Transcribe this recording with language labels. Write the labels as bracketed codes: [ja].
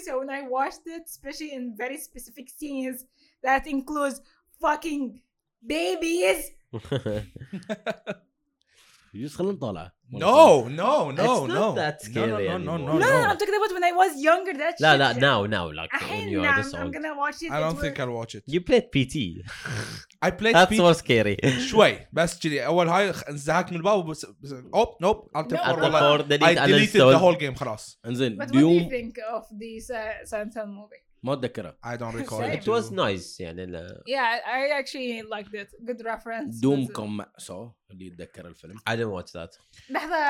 [en] So when I watched it, especially in very specific scenes that includes fucking babies. You just [ar] خلنا نطلع. [en] No. It's not that scary. No. I'm talking about when I was younger. That no, shit. No. Like when you are this old. I'm gonna watch it. I don't think I'll watch it. You played PT. I played. That's PT. That's so scary. [ar] شوي بس كذي أول هاي انزهقت من الباب بس. [en] Oh nope. I deleted the whole game. [ar] خلاص. انزين. [en] But what do you think of this Sentinel movie? [ar] ما أتذكره. [en] I don't recall. It was nice. يعني. Yeah, I actually liked it. Good reference. Doom come so. [ar] اللي يتذكر الفيلم. [en] I didn't watch that. [ar] لحظة.